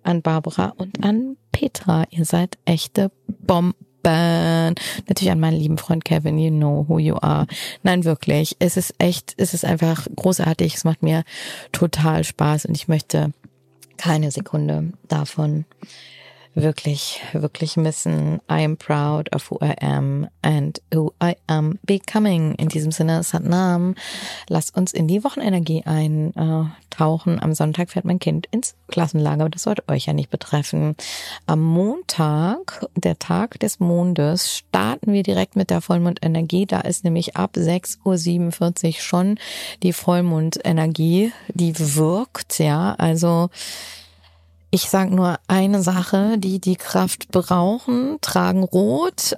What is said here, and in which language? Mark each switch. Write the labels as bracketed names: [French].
[German] An Barbara und an Petra. Ihr seid echte Bomben. Natürlich an meinen lieben Freund Kevin, [English] you know who you are. [German] Nein, wirklich, es ist einfach großartig, es macht mir total Spaß und ich möchte keine Sekunde davon wirklich, wirklich missen. [English] I am proud of who I am and who I am becoming. [German] In diesem Sinne, Satnam, lass uns in die Wochenenergie eintauchen. Am Sonntag fährt mein Kind ins Klassenlager, aber das sollte euch ja nicht betreffen. Am Montag, der Tag des Mondes, starten wir direkt mit der Vollmondenergie. Da ist nämlich ab 6.47 Uhr schon die Vollmondenergie, die wirkt, ja, also ich sage nur eine Sache, die Kraft brauchen, tragen Rot.